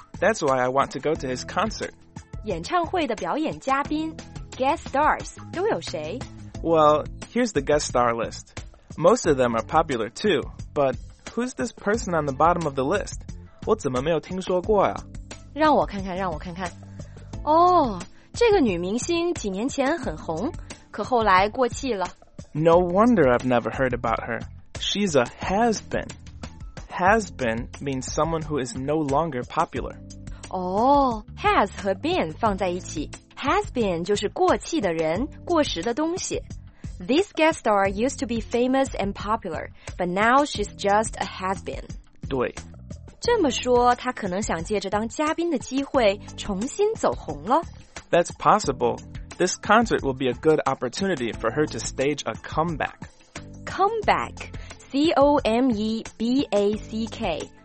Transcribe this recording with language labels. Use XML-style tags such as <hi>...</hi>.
<en>That's why I want to go to his concert.</en> <zh>演唱会的表演嘉宾 ,</zh> <en>guest stars,</en> <zh>都有谁</zh> <en>?Well, here's the guest star list. Most of them are popular too, but who's this person on the bottom of the list?</en> <zh>我怎么没有听说过呀、啊、让我看看，让我看看。 Oh,这个女明星几年前很红，可后来过气了。</zh> <en>No wonder I've never heard about her. She's a has-been. Has-been means someone who is no longer popular.</en> <zh>Oh, has 和 been 放在一起。Has-been 就是过气的人，过时的东西。</zh> <en>This guest star used to be famous and popular, but now she's just a has-been.</en> <zh>对。这么说，她可能想借着当嘉宾的机会重新走红了。</zh> <en>That's possible. This concert will be a good opportunity for her to stage a comeback. Comeback, C-O-M-E-B-A-C-K.</en>